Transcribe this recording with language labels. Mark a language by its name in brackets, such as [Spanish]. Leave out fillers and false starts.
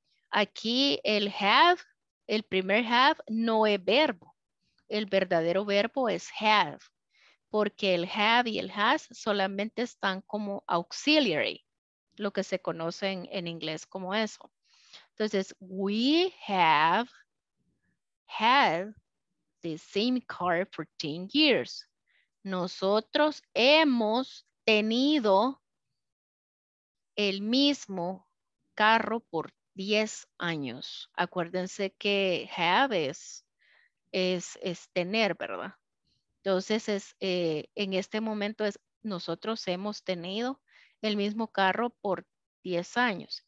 [Spanish] Aquí el have, el primer have, no es verbo. El verdadero verbo es have, porque el have y el has solamente están como auxiliary, lo que se conoce en inglés como eso. [English] Entonces, we have had the same car for 10 years. [Spanish] Nosotros hemos tenido el mismo carro por 10 años. Acuérdense que have es tener, ¿verdad? Entonces, en este momento nosotros hemos tenido el mismo carro por 10 años.